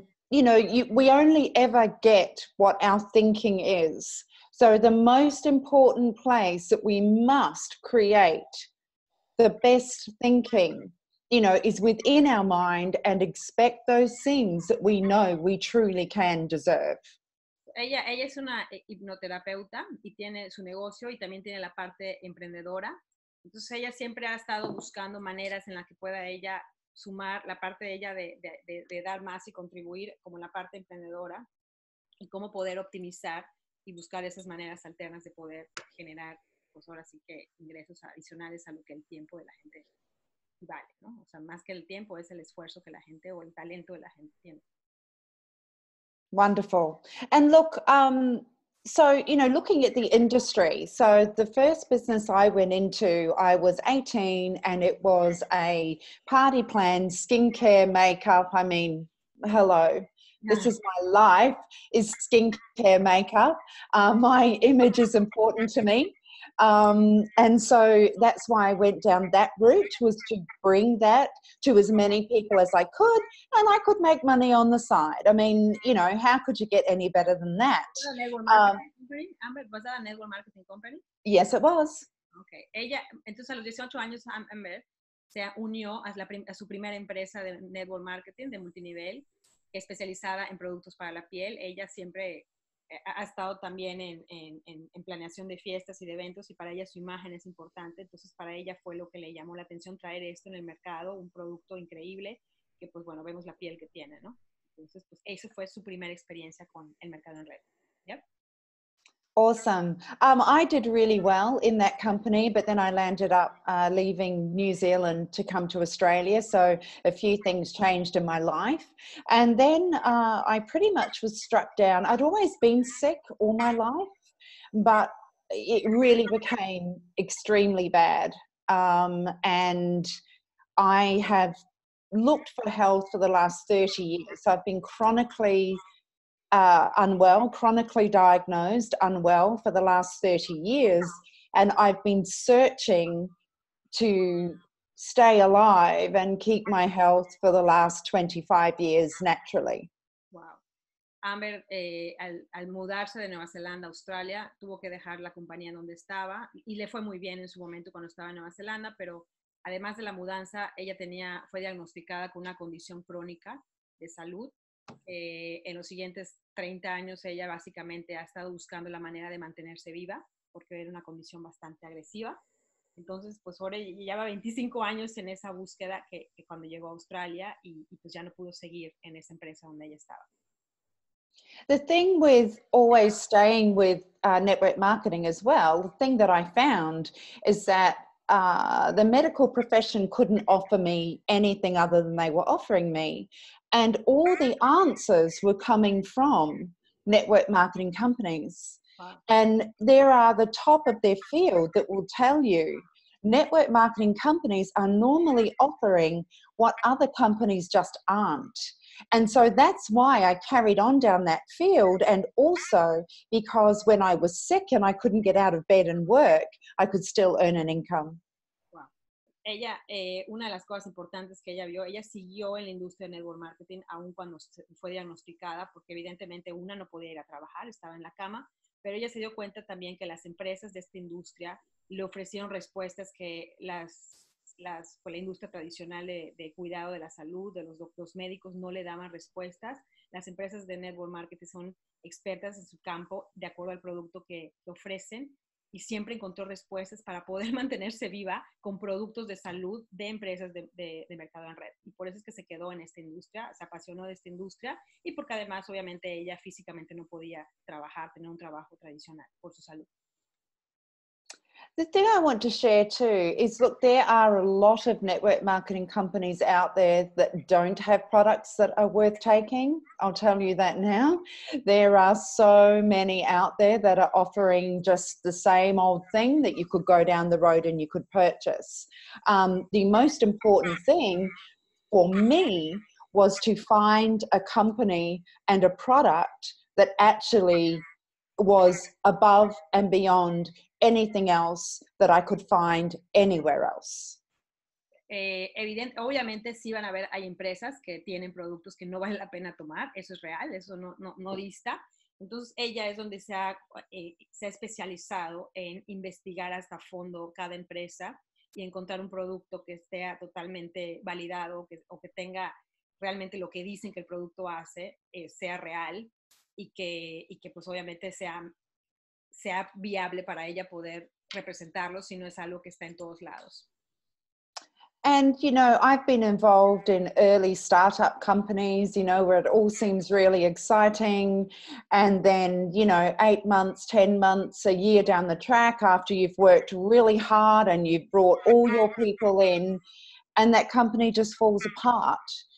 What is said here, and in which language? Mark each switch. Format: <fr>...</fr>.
<en>You know, we only ever get what our thinking is. So the most important place that we must create the best thinking, you know, is within our mind and expect those things that we know we truly can deserve.</en> <es>Ella es una hipnoterapeuta y tiene su negocio y también tiene la parte emprendedora. Entonces ella siempre ha estado buscando maneras en las que pueda ella sumar la parte de ella de dar más y contribuir como la parte emprendedora y cómo poder optimizar y buscar esas maneras alternas de poder generar, pues ahora sí que ingresos adicionales a lo que el tiempo de la gente vale, ¿no? O sea, más que el tiempo es el esfuerzo que la gente o el talento de la gente tiene.</es> <en>Wonderful. And look, so, you know, looking at the industry, so the first business I went into, I was 18 and it was a party plan, skincare, makeup. I mean, hello, this is my life, is skincare, makeup. My image is important to me. And so that's why I went down that route, was to bring that to as many people as I could, and I could make money on the side. I mean, you know, how could you get any better than that? Was that a network marketing company? Yes, it was. Okay.</en> <es>Ella, entonces a los 18 años, Amber se unió a su primera empresa de network marketing de multinivel, especializada en productos para la piel. Ella siempre ha estado también en planeación de fiestas y de eventos y para ella su imagen es importante. Entonces, para ella fue lo que le llamó la atención traer esto en el mercado, un producto increíble que, pues, bueno, vemos la piel que tiene, ¿no? Entonces, pues, esa fue su primera experiencia con el mercado en red. ¿Ya?</es> <en>Awesome. I did really well in that company, but then I landed up leaving New Zealand to come to Australia. So a few things changed in my life. And then I pretty much was struck down. I'd always been sick all my life, but it really became extremely bad. And I have looked for health for the last 30 years. So I've been chronically unwell, chronically diagnosed unwell for the last 30 years. And I've been searching to stay alive and keep my health for the last 25 years naturally. Wow.</en> <es>Amber, al mudarse de Nueva Zelanda a Australia, tuvo que dejar la compañía donde estaba y le fue muy bien en su momento cuando estaba en Nueva Zelanda, pero además de la mudanza, ella fue diagnosticada con una condición crónica de salud. En los siguientes 30 años ella básicamente ha estado buscando la manera de mantenerse viva porque era una condición bastante agresiva. Entonces, pues ahora ella lleva 25 años en esa búsqueda que cuando llegó a Australia y pues ya no pudo seguir en esa empresa donde ella estaba.</es> <en>The thing with always staying with network marketing as well, the thing that I found is that the medical profession couldn't offer me anything other than they were offering me. And all the answers were coming from network marketing companies. Wow. And there are the top of their field that will tell you network marketing companies are normally offering what other companies just aren't. And so that's why I carried on down that field. And also because when I was sick and I couldn't get out of bed and work, I could still earn an income. Wow.</en> <es>ella, una de las cosas importantes que ella vio, ella siguió en la industria de network marketing aun cuando fue diagnosticada, porque evidentemente una no podía ir a trabajar, estaba en la cama, pero ella se dio cuenta también que las empresas de esta industria le ofrecieron respuestas que la industria tradicional de cuidado de la salud, de los médicos, no le daban respuestas. Las empresas de network marketing son expertas en su campo de acuerdo al producto que ofrecen, y siempre encontró respuestas para poder mantenerse viva con productos de salud de empresas de mercado en red. Y por eso es que se quedó en esta industria, se apasionó de esta industria, y porque además, obviamente, ella físicamente no podía trabajar, tener un trabajo tradicional por su salud.</es> <en>The thing I want to share too is, look, there are a lot of network marketing companies out there that don't have products that are worth taking. I'll tell you that now. There are so many out there that are offering just the same old thing that you could go down the road and you could purchase. The most important thing for me was to find a company and a product that actually was above and beyond anything else that I could find anywhere else.</en> <es>Obviamente sí van a ver, hay empresas que tienen productos que no vale la pena tomar, eso es real, eso no dista. Entonces ella es donde se ha especializado en investigar hasta fondo cada empresa y encontrar un producto que esté totalmente validado o que tenga realmente lo que dicen que el producto hace, sea real y que pues obviamente sea viable para ella poder representarlo, si no es algo que está en todos lados.</es> <en>And, you know, I've been involved in early startup companies, you know, where it all seems really exciting. And then, you know, 8 months, 10 months, a year down the track, after you've worked really hard and you've brought all your people in, and that company just falls apart.</en>